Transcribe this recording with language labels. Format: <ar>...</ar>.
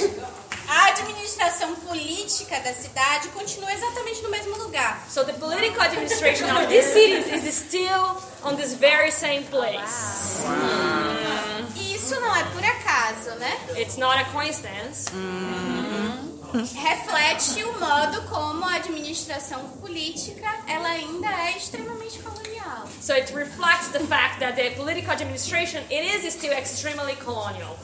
<pt>Então, a administração política da cidade continua exatamente no mesmo lugar.</pt> <en>So the political administration of this city is still on this very same place. Wow. Wow.</en> <pt>Isso não é por acaso, né?</pt> <en>It's not a coincidence.</en> <pt>Reflete o modo como a administração política ela ainda é extremamente colonial.</pt> <en>So it reflects the fact that the political administration it is still extremely colonial.</en>